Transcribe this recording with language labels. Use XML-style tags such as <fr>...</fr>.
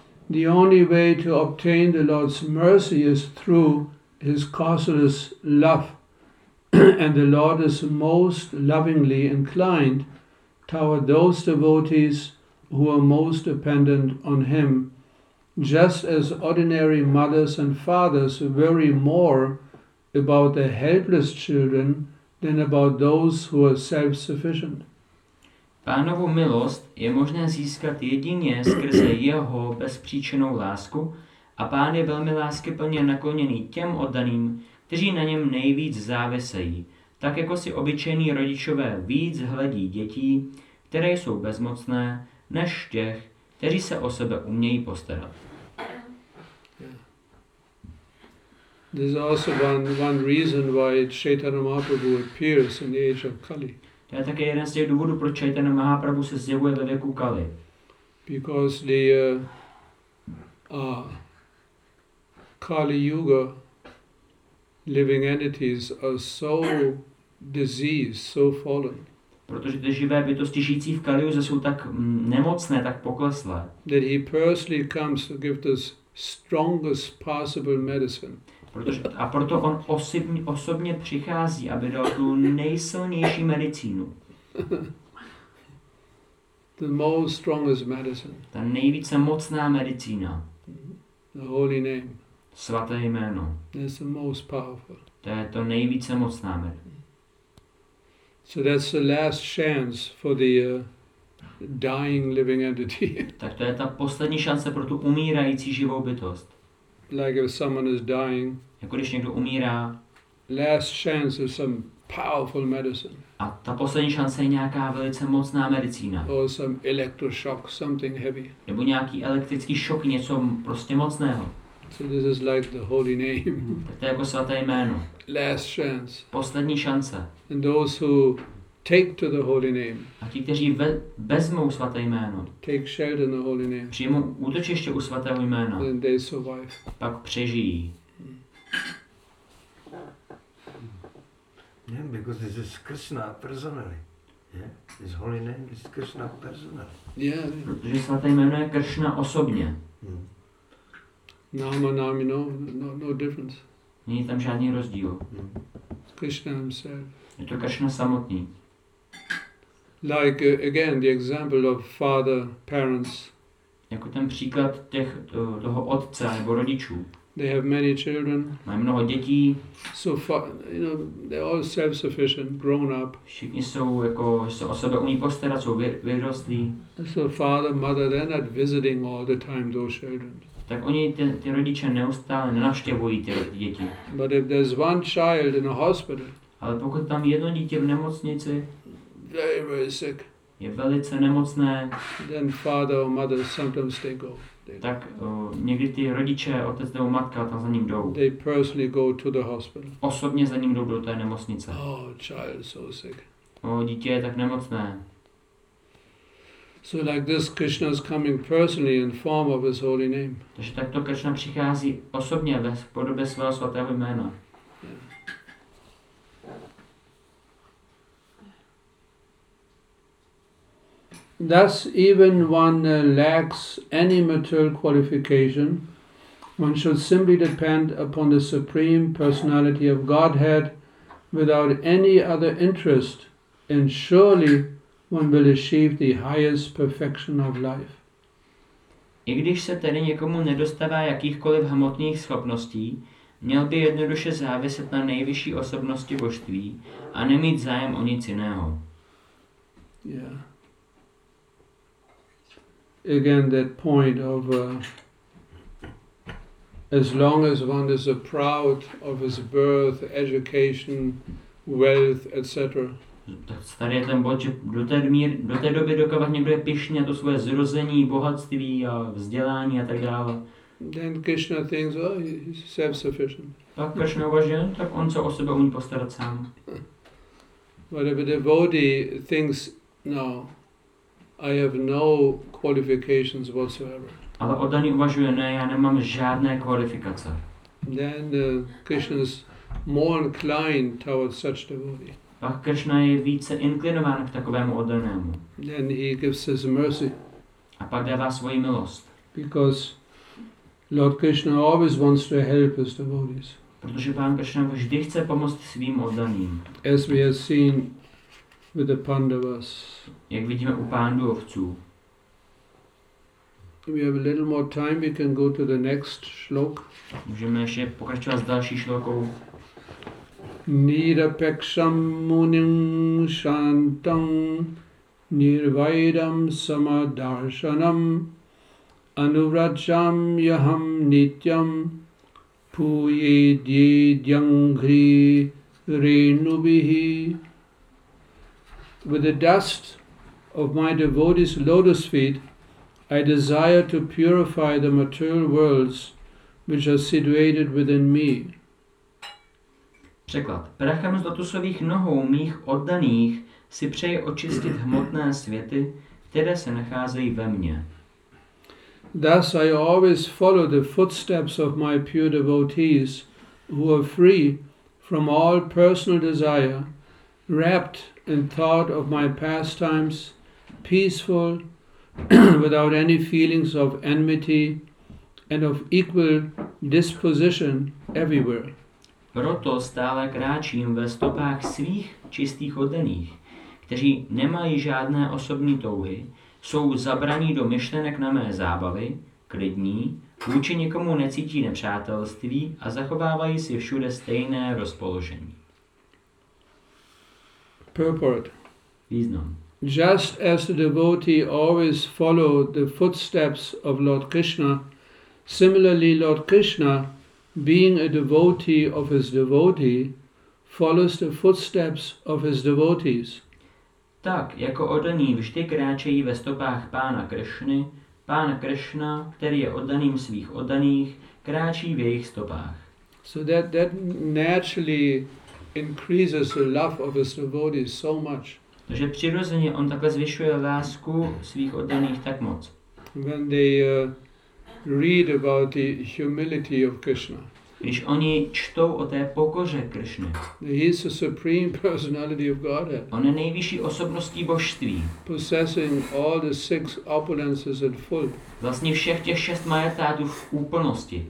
<en>The only way to obtain the Lord's mercy is through his causeless love, and the Lord is most lovingly inclined toward those devotees who are most dependent on him. Just as ordinary mothers and fathers worry more about their helpless children than about those who are self-sufficient.</en> <cs>Pánovu milost je možné získat jedině skrze jeho bezpříčinnou lásku a pán je velmi láskyplně nakloněný těm oddaným, kteří na něm nejvíc závisejí, tak jako si obyčejní rodičové víc hledí dětí, které jsou bezmocné, než těch, kteří se o sebe umějí postarat.</cs> <en>This is also one reason why Chaitanya Mahaprabhu appears in the age of Kali.</en> <cs>To je také jeden z těch důvodů, proč Chaitanya Mahaprabhu se zjevuje ve věku Kali.</cs> <en>Because the Kali Yuga living entities are so diseased, so fallen.</en> <cs>Protože ty živé bytosti žijící v Kali Yuze jsou tak nemocné, tak pokleslé.</cs> <en>That he personally comes to give the strongest possible medicine.</en> <cs>A proto on osobně přichází, aby dal tu nejsilnější medicínu.</cs> <en>The most strongest medicine.</en> <cs>Ta nejvíce mocná medicína.</cs> <en>The holy name.</en> <cs>Svaté jméno.</cs> <en>That's the most powerful.</en> <cs>To je to nejvíce mocná medicína.</cs> <en>So that's the last chance for the dying living entity.</en> <cs>Tak to je ta poslední šance pro tu umírající živou bytost.</cs> <en>Like if someone is dying.</en> <cs>Jako když někdo umírá.</cs> <en>Last chance is some powerful medicine.</en> <cs>A ta poslední šance je nějaká velice mocná medicína.</cs> <en>Or some electroshock, something heavy.</en> <cs>Nebo nějaký elektrický šok, něco prostě mocného.</cs> <en>So this is like the holy name.</en> <cs>Tak to je jako svaté jméno.</cs> <en>Last chance.</en> <cs>Poslední šance.</cs> <en>And those who take to the holy name.</en> <cs>A ti, kteří vezmou svaté jméno.</cs> <en>Take shelter in the holy name.</en> <cs>Přijmou útočiště u svatého jména.</cs> <en>Then they survive.</en> <cs>Pak přežijí.</cs> <en>Yeah, because this is Krishna personally. Yeah, his holy name is Krishna personally. Yeah.</en> <cs>Protože svaté jméno je Krishna osobně.</cs> <en>Nama, nami, no difference.</en> <cs>Není tam žádný rozdíl.</cs> <en>Krishna himself.</en> <cs>Je to Krishna samotný.</cs> <en>Like again the example of father, parents.</en> <cs>Jako ten příklad těch toho otce nebo rodičů.</cs> <en>They have many children.</en> <cs>Mají mnoho dětí.</cs> <en>So far, you know, they're all self-sufficient, grown up.</en> <cs>Všichni jsou jako se o sebe umí postarat, jsou vyrostlí.</cs> <en>So father, mother, they're not visiting all the time those children.</en> <cs>Tak oni ty rodiče neustále nenavštěvují ty děti.</cs> <en>But if there's one child in a hospital.</en> <cs>Ale pokud tam jedno dítě v nemocnici.</cs> <en>Very, very sick.</en> <cs>Je velice nemocné.</cs> <en>Then father or mother sometimes they go.</en> <cs>Tak někdy ty rodiče, otec nebo matka tam za ním jdou.</cs> <en>They personally go to the hospital.</en> <cs>Osobně za ním jdou do té nemocnice.</cs> <en>Oh, child is so sick.</en> <cs>Oh, dítě je tak nemocné.</cs> <en>So like this, Krishna is coming personally in form of his holy name.</en> <cs>Takže takto Krishna přichází osobně ve podobě svého svatého jména.</cs> <en>Thus, even one lacks any material qualification, one should simply depend upon the Supreme Personality of Godhead without any other interest, and surely one will achieve the highest perfection of life.</en> <cs>I když se tedy někomu nedostává jakýchkoliv hmotných schopností, měl by jednoduše záviset na nejvyšší osobnosti božství a nemít zájem o nic jiného.</cs> <en>Yeah. Again, that point of as long as one is a proud of his birth, education, wealth, etc.</en> <cs>Tady je ten bod, že do té doby, dokud někdo je pyšný na to svoje zrození, bohatství a vzdělání a tak dále.</cs> <en>Then Krishna thinks, oh, he's self-sufficient.</en> <cs>Tak Krishna uvažuje, tak on se o sebe umí postarat sám.</cs> <en>But if a devotee thinks, no, I have no qualifications whatsoever.</en> <cs>Ale oddaný uvažuje, ne, já nemám žádné kvalifikace.</cs> <en>Then Krishna is more inclined towards such devotee.</en> <cs>Pak Krishna je více inklinován k takovému oddanému.</cs> <en>Then he gives his mercy.</en> <cs>A pak dává svoji milost.</cs> <en>Because Lord Krishna always wants to help his devotees.</en> <cs>Protože Pán Krishna vždy chce pomoct svým oddaným.</cs> <en>As we have seen with the Pandavas.</en> <cs>Jak vidíme u Pándovců.</cs> <en>We have a little more time, we can go to the next shloka.</en> <cs>Můžeme ještě pokračovat s další šlokou.</cs> <sa>Nirapeksham munim shantam nirvairam samadarshanam anuracham yaham nityam puye dye dyanghri renubihi.</sa> <en>With the dust of my devotees' lotus feet, I desire to purify the material worlds which are situated within me.</en> <cs>Překlad. Prachem z lotusových nohou mých oddaných si přeje očistit hmotné světy, které se nacházejí ve mně.</cs> <en>Thus I always follow the footsteps of my pure devotees who are free from all personal desire, wrapped in thought of my pastimes, peaceful, without any feelings of enmity and of equal disposition everywhere.</en> <cs>Proto stále kráčím ve stopách svých čistých oddaných, kteří nemají žádné osobní touhy, jsou zabraní do myšlenek na mé zábavy, klidní, vůči nikomu necítí nepřátelství a zachovávají si všude stejné rozpoložení.</cs> <en>Purport.</en> <cs>Význam.</cs> <en>Just as the devotee always follow the footsteps of Lord Krishna, similarly Lord Krishna, being a devotee of his devotee, follows the footsteps of his devotees.</en> <cs>Tak, jako oddaní vždy kráčejí ve stopách Pána Krishny, Pán Krishna, který je oddaným svých oddaných, kráčí v jejich stopách.</cs> <en>So that naturally increases the love of his devotees so much.</en> <cs>Takže přirozeně on takhle zvyšuje lásku svých oddaných tak moc.</cs> <en>When they read about the humility of Krishna.</en> <cs>Když oni čtou o té pokoře Krishny.</cs> <en>He is the supreme personality of Godhead.</en> <cs>On je nejvyšší osobností božství.</cs> <en>Possessing all the six opulences in full.</en> <cs>Vlastně všech těch šest majestátů v úplnosti.</cs>